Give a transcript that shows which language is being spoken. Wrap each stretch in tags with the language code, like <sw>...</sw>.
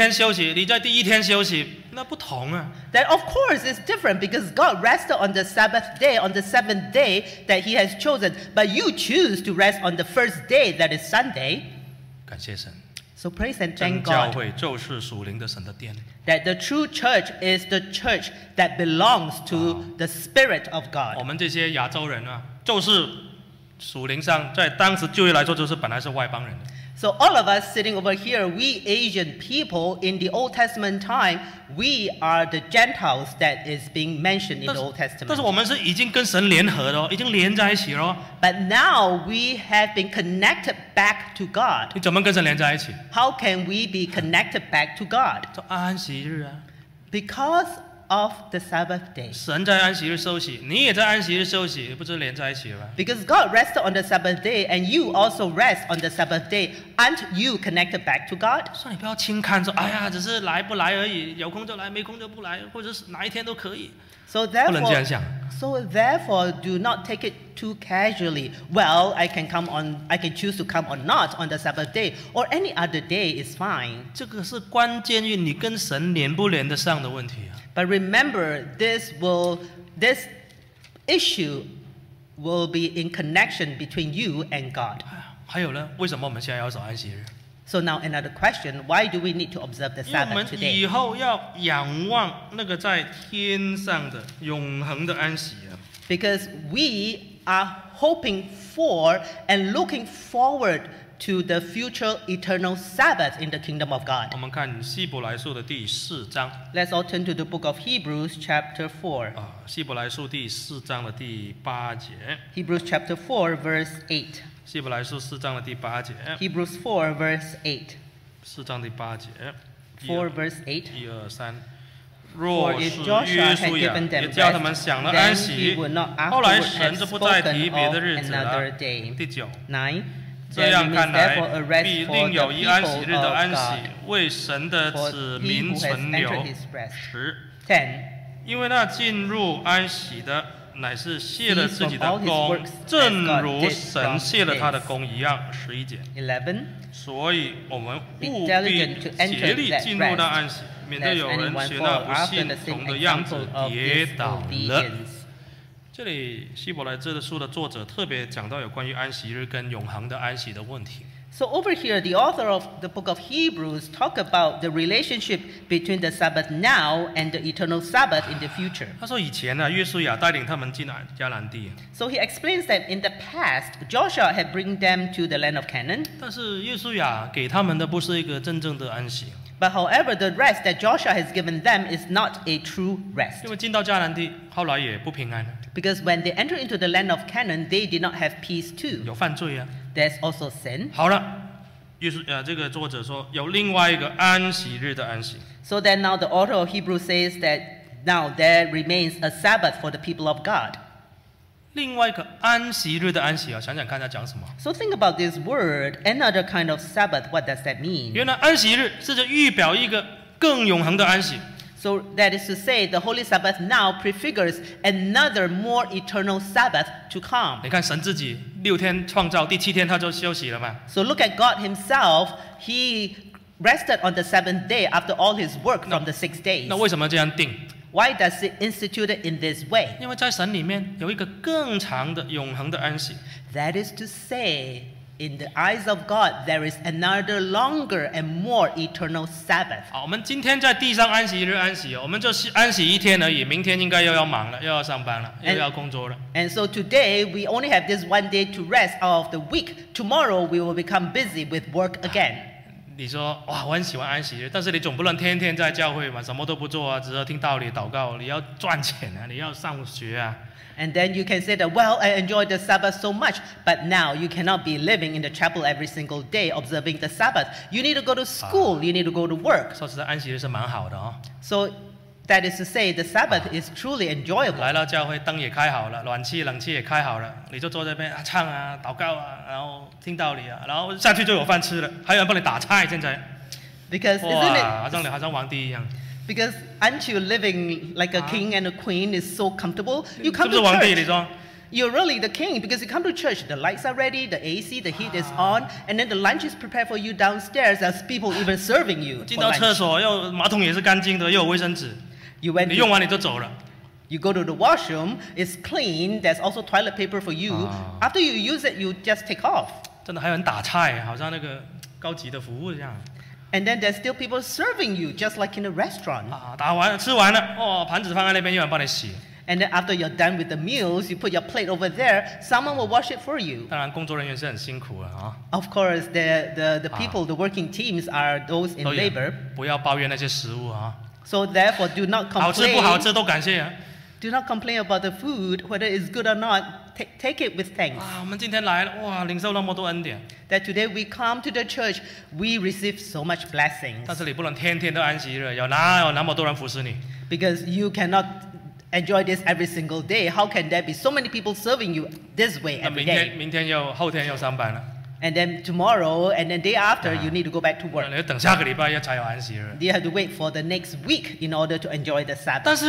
<zh>神创造完天地之后在第七天休息，你在第一天休息，那不同啊,</zh> <en>that of course is different because God rested on the Sabbath day, on the seventh day that He has chosen, but you choose to rest on the first day that is Sunday,</en> <zh>感谢神,</zh> <en>so praise and thank God,</en> <zh>真教会就是属灵的神的殿,</zh> <en>that the true church is the church that belongs to the Spirit of God.</en> <zh>我们这些亚洲人啊，就是属灵上，在当时旧约来说，就是本来是外邦人的。</zh> <en>So all of us sitting over here, we Asian people in the Old Testament time, we are the Gentiles that is being mentioned in the Old Testament.</en> <zh>但是我们是已经跟神联合了，已经连在一起了。</zh> <en>But now we have been connected back to God.</en> <zh>你怎么跟神连在一起？</zh> <en>How can we be connected back to God?</en> <zh>就安息日啊。</zh> <en>Because of the Sabbath day.</en> <zh>神在安息日休息，你也在安息日休息，不就连在一起了吗？</zh> <en>Because God rested on the Sabbath day, and you also rest on the Sabbath day, aren't you connected back to God?</en> <zh>所以你不要轻看说，哎呀，只是来不来而已，有空就来，没空就不来，或者是哪一天都可以。</zh> <en>So therefore,</en> <zh>不能这样想。</zh> <en>So therefore, do not take it too casually. Well, I can come on, I can choose to come or not on the Sabbath day or any other day is fine.</en> <zh>这个是关键于你跟神连不连得上的问题啊。</zh> <en>But remember, this issue will be in connection between you and God.</en> <zh>还有呢，为什么我们现在要守安息日？</zh> <en>So now another question: Why do we need to observe the Sabbath today?</en> <zh>因为我们以后要仰望那个在天上的永恒的安息啊。</zh> <en>Because we are hoping for and looking forward to the future eternal Sabbath in the kingdom of God.</en> <zh>我们看希伯来书的第四章。</zh> <en>Let's all turn to the book of Hebrews, chapter 4.</en> <zh>啊，希伯来书第四章的第八节。</zh> <en>Hebrews chapter 4, verse 8.</en> <zh>希伯来书四章的第八节。</zh> <en>Hebrews 4, verse 8.</en> <zh>四章第八节。</zh> <en>4, verse 8.</en> <zh>一二三。若是约书亚也叫他们享了安息，后来神就不再提别的日子了。第九。这样看来，必另有一安息日的安息，为神的子民存留。十。因为那进入安息的，乃是卸了自己的功，正如神卸了他的功一样。十一节。</zh> <en>11.</en> <zh>所以我们务必竭力进入那安息。免得有人学那不信从的样子跌倒了。这里希伯来这书的作者特别讲到有关于安息日跟永恒的安息的问题。</zh> <en>So over here, the author of the book of Hebrews talk about the relationship between the Sabbath now and the eternal Sabbath in the future.</en> <zh>他说以前呢，约书亚带领他们进迦南地。</zh> <en>So he explains that in the past, Joshua had bring them to the land of Canaan.</en> <zh>但是约书亚给他们的不是一个真正的安息。</zh> <en>But however, the rest that Joshua has given them is not a true rest.</en> <zh>因为进到迦南地，后来也不平安。</zh> <en>Because when they enter into the land of Canaan, they did not have peace too.</en> <zh>有犯罪啊。</zh> <en>There's also sin.</en> <zh>好了，这个作者说有另外一个安息日的安息。</zh> <en>So then now the author of Hebrews says that now there remains a Sabbath for the people of God.</en> <zh>另外一个安息日的安息啊，想想看他讲什么。</zh> <en>So think about this word, another kind of Sabbath. What does that mean?</en> <zh>原来安息日是在预表一个更永恒的安息。</zh> <en>So that is to say, the Holy Sabbath now prefigures another more eternal Sabbath to come.</en> <zh>你看神自己六天创造，第七天他就休息了嘛。</zh> <en>So look at God Himself. He rested on the seventh day after all His work from the 6 days.</en> <zh>那为什么这样定？</zh> <en>Why does it institute it in this way?</en> <zh>因为在神里面有一个更长的永恒的安息。</zh> <en>That is to say, in the eyes of God, there is another longer and more eternal Sabbath.</en> <zh>好，我们今天在地上安息日安息，我们就安息一天而已。明天应该又要忙了，又要上班了，又要工作了。</zh> <en>And so today we only have this one day to rest out of the week. Tomorrow we will become busy with work again.</en> <zh>你说哇，我很喜欢安息日，但是你总不能天天在教会嘛，什么都不做啊，只是听道理祷告。你要赚钱啊，你要上学啊。</zh> <en>And then you can say that, well, I enjoy the Sabbath so much, but now you cannot be living in the chapel every single day observing the Sabbath. You need to go to school. You need to go to work.</en> <zh>说实在，安息日是蛮好的哦。</zh> <en>So that is to say, the Sabbath is truly enjoyable.</en> <zh>来到教会，灯也开好了，暖气、冷气也开好了，你就坐在那边啊，唱啊，祷告啊，然后听道理啊，然后下去就有饭吃了，还有人帮你打菜，现在。</zh> <en>Because isn't it?</en> <zh>哇，让你好像皇帝一样。</zh> <en>Because aren't you living like a king and a queen is so comfortable? You come to church. You're really the king because you come to church. The lights are ready, the AC, the heat is on, and then the lunch is prepared for you downstairs. There's people even serving you.</en> <zh>进到厕所，又马桶也是干净的，又有卫生纸。</zh> <en>You went.</en> <zh>你用完你就走了。</zh> <en>You go to the washroom. It's clean. There's also toilet paper for you. After you use it, you just take off.</en> <zh>真的还有人打菜，好像那个高级的服务一样。</zh> <en>And then there's still people serving you, just like in a restaurant.</en> <zh>打完了，吃完了，哦，盘子放在那边，有人帮你洗。</zh> <en>And then after you're done with the meals, you put your plate over there, someone will wash it for you.</en> <zh>当然工作人员是很辛苦的,</zh> <en>of course, the people, the working teams are those in labor.</en> <zh>不要抱怨那些食物,</zh> <en>so therefore, do not complain.</en> <zh>好吃不好吃都感谢,</zh> <en>do not complain about the food, whether it's good or not. Take it with thanks.</en> <zh>我们今天来了, 哇, 领受那么多恩典,</zh> <en>that today we come to the church, we receive so much blessings.</en> <zh>但是你不能天天都安息日, 有哪有那么多人服侍你?</zh> <en>Because you cannot enjoy this every single day. How can there be so many people serving you this way every day?</en> <zh>明天又后天又上班了。</zh> <en>And then tomorrow, and then day after, you need to go back to work.</en> <zh>你要等下个礼拜才有安息日。</zh> <en>You have to wait for the next week in order to enjoy the Sabbath.</en>